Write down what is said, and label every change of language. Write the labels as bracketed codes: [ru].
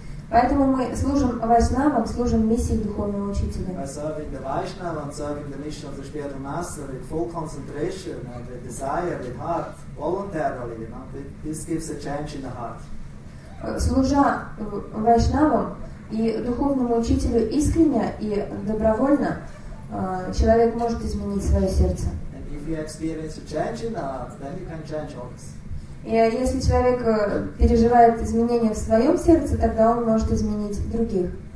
[ru] Поэтому мы служим вайшнавам, служим миссии духовного учителя. [en] By serving the Vaishnava and serving the mission of the spiritual master with full concentration and with desire, with heart, voluntarily, you know, this gives a change in the heart. [ru] Служа вайшнавам и духовному учителю искренне и добровольно, человек может изменить свое сердце. [en] And if you experience a change in the heart, then you can change others. [ru] И если человек переживает изменения в своем сердце, тогда он может изменить других.